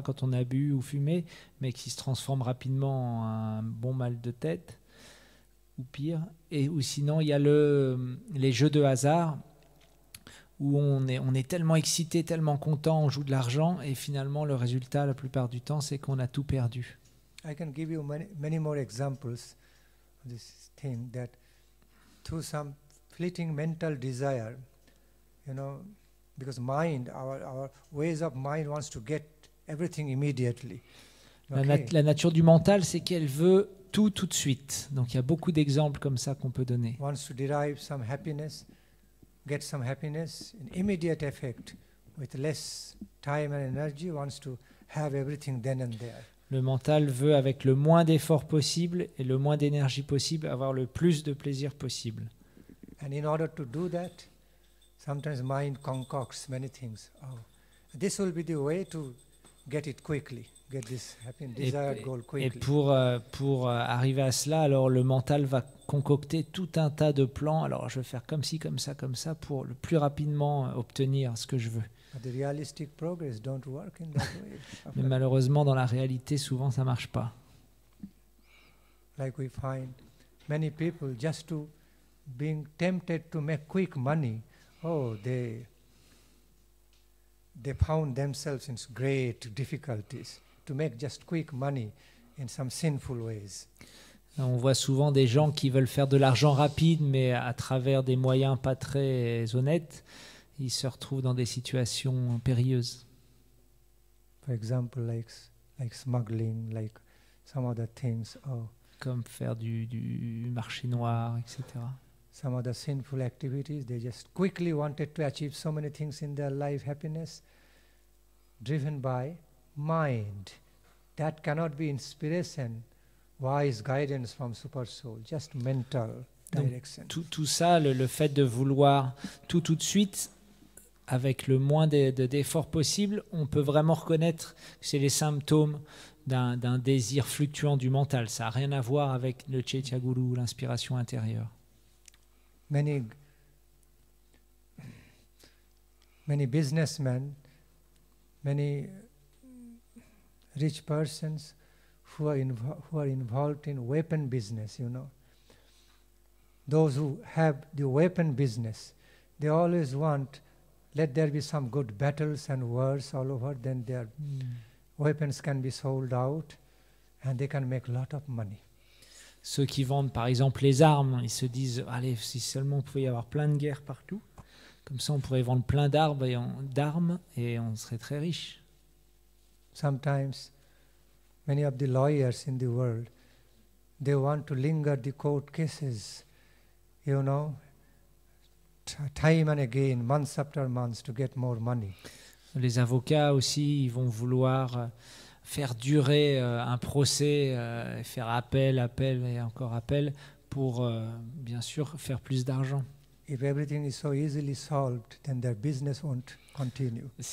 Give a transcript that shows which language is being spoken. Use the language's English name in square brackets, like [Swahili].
[French] quand on a bu ou fumé, mais qui se transforme rapidement en un bon mal de tête ou pire. Et ou sinon il y a les jeux de hasard où on est tellement excité, tellement content, on joue de l'argent et finalement le résultat la plupart du temps c'est qu'on a tout perdu. [English] I can give you many more examples of this. That through some fleeting mental desire, you know, because mind, our ways of mind wants to get everything immediately. Okay. [French] La nature du mental, c'est qu'elle veut tout de suite. Donc il y a beaucoup d'exemples comme ça qu'on peut donner. [English] Wants to derive some happiness, get some happiness in immediate effect with less time and energy, wants to have everything then and there. [French] Le mental veut, avec le moins d'efforts possible et le moins d'énergie possible, avoir le plus de plaisir possible. [English] And in order to do that, sometimes mind concocts many things. Oh, this will be the way to get it quickly, get this desired goal quickly. [French] Et pour arriver à cela, alors le mental va concocter tout un tas de plans. Alors je vais faire comme ci, comme ça, pour le plus rapidement obtenir ce que je veux. [English] But the realistic progress don't work in that way. [French] Mais malheureusement, dans la réalité, souvent, ça marche pas. [English] Like we find many people just to being tempted to make quick money. Oh, they found themselves in great difficulties to make just quick money in some sinful ways. [French] On voit souvent des gens qui veulent faire de l'argent rapide, mais à travers des moyens pas très honnêtes. Ils se retrouvent dans des situations périlleuses. [English] For example, like smuggling, like some other things. Oh. [French] Comme faire du marché noir, etc. [English] Some other sinful activities. They just quickly wanted to achieve so many things in their life, happiness, driven by mind. That cannot be inspiration, wise guidance from super soul. Just mental direction. [French] Donc, tout ça, le fait de vouloir tout de suite. Avec le moins d'efforts possibles, on peut vraiment reconnaître que c'est les symptômes d'un désir fluctuant du mental. Ça n'a rien à voir avec le Chaitya Guru, l'inspiration intérieure. [English] Many businessmen, many rich persons who are involved in weapon business, you know. Those who have the weapon business, they always want. Let there be some good battles and wars all over, then their weapons can be sold out and they can make a lot of money. [French] Ceux qui vendent par exemple les armes, ils se disent, allez, si seulement on pouvait y avoir plein de guerres partout, comme ça on pourrait vendre plein d'armes et on serait très riche. [English] Sometimes many of the lawyers in the world, they want to linger the court cases, you know, time and again, months after months, to get more money. [French] Les avocats aussi, ils vont vouloir faire durer un procès, faire appel et encore appel pour, bien sûr, faire plus d'argent. [English] If everything is so easily solved, then their business won't continue.